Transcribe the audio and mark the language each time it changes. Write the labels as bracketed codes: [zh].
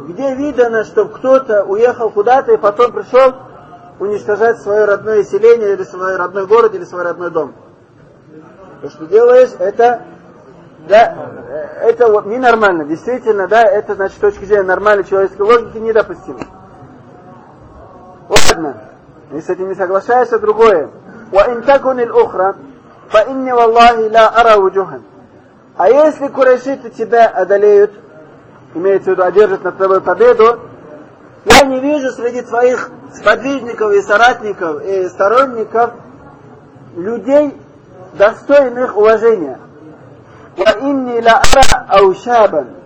[ru] Где видано, чтобы кто-то уехал куда-то и потом пришел уничтожать свое родное селение, или свой родной город, или свой родной дом? То, что делаешь, это, да, это вот ненормально. Действительно, да, это, значит, с точки зрения нормальной человеческой логики недопустимо. Ладно, если ты не соглашаешься, другое. [ar] وإن تكن الأخرى فإني والله لا أرى وجوها. [ru] А если курайшиты тебя одолеют, имеется в виду одержат над тобой победу, я не вижу среди твоих сподвижников и соратников и сторонников людей достойных уважения. [ar] وإني لا أرى أوشابا.